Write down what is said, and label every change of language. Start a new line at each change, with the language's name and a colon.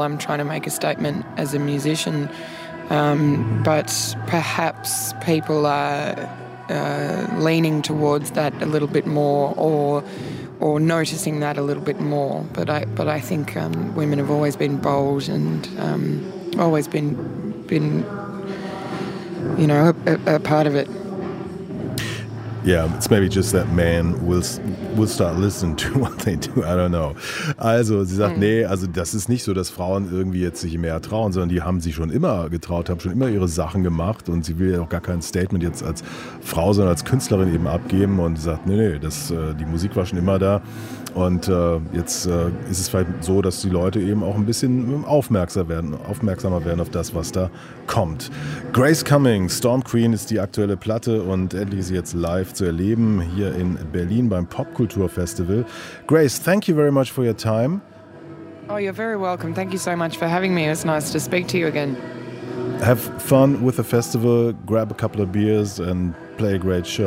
English: I'm trying to make a statement as a musician. But perhaps people are leaning towards that a little bit more, or noticing that a little bit more, but I think women have always been bold and always been you know a part of it. Yeah, it's maybe just that men will start listening to what they do. I don't know.
German: Also sie sagt, nee, also das ist nicht so, dass Frauen irgendwie jetzt sich mehr trauen, sondern die haben sich schon immer getraut, haben schon immer ihre Sachen gemacht, und sie will ja auch gar kein Statement jetzt als Frau, sondern als Künstlerin eben abgeben, und sagt, nee, das, die Musik war schon immer da. Und jetzt ist es vielleicht so, dass die Leute eben auch ein bisschen aufmerksamer werden auf das, was da kommt. Grace Cummings, Storm Queen ist die aktuelle Platte, und endlich ist sie jetzt live zu erleben hier in Berlin beim Popkulturfestival.
English: Grace, thank you very much for your time. Oh, you're very welcome. Thank you so much for having me. It was nice to speak to you again. Have fun with the festival, grab a couple of beers and play a great show.